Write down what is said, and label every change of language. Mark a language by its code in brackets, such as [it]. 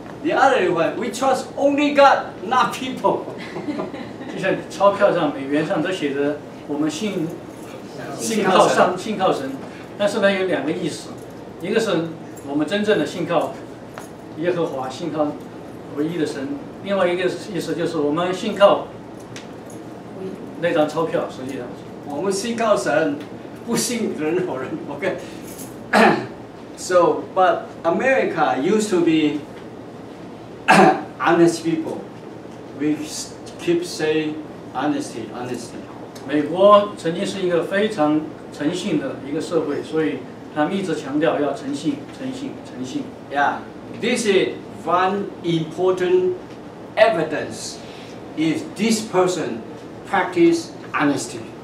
[en] The other one we trust only God, not people. [zh] 就像钞票上、美元上都写着我们信。信靠神，但是呢有两个意思，一个是我们真正的信靠耶和华，信靠唯一的神，另外一个意思就是我们信靠那张钞票，实际上我们信靠神不信人或人 [en] OK So but America used to be honest people. We keep saying honesty, honesty. [zh] 美国曾经是一个非常诚信的一个社会，所以他们一直强调要诚信，诚信，诚信。 [en] Yeah, this is one important evidence is this person practice honesty.